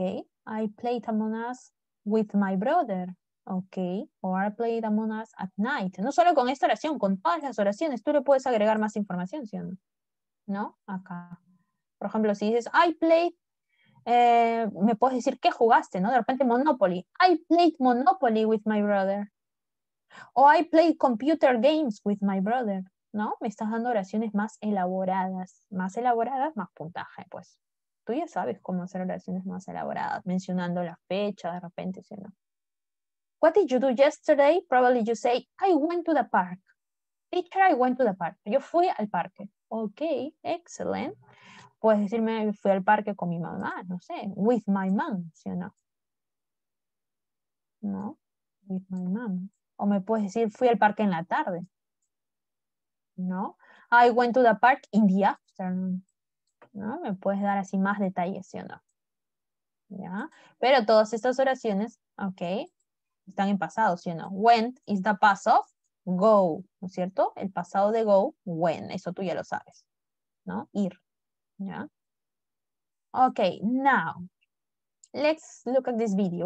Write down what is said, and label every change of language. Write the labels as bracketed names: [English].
[English] I played Among Us with my brother, ¿ok? Or I played Among Us at night. [Spanish] No solo con esta oración, con todas las oraciones, tú le puedes agregar más información, ¿sí o no? ¿No? Acá. Por ejemplo, si dices, [English] I played, [Spanish] me puedes decir, ¿qué jugaste? ¿No? De repente, [English] Monopoly. I played Monopoly with my brother. O I played computer games with my brother, [Spanish] ¿no? Me estás dando oraciones más elaboradas. Más elaboradas, más puntaje, pues. Tú ya sabes cómo hacer oraciones más elaboradas, mencionando la fecha de repente, ¿sí o no? [English] What did you do yesterday? Probably you say, I went to the park. Teacher, I went to the park. [Spanish] Yo fui al parque. [English] Ok, excellent. [Spanish] Puedes decirme, fui al parque con mi mamá, no sé. [English] With my mom, [Spanish] ¿sí o no? [English] No, with my mom. [Spanish] O me puedes decir, fui al parque en la tarde. [English] No, I went to the park in the afternoon. [Spanish] ¿No? Me puedes dar así más detalles, ¿sí o no? ¿Ya? Pero todas estas oraciones, ok, están en pasado, ¿sí o no? [English] Went is the past of go, [Spanish] ¿no es cierto? El pasado de go, when, eso tú ya lo sabes, ¿no? Ir, ¿ya? [English] Ok, now, let's look at this video.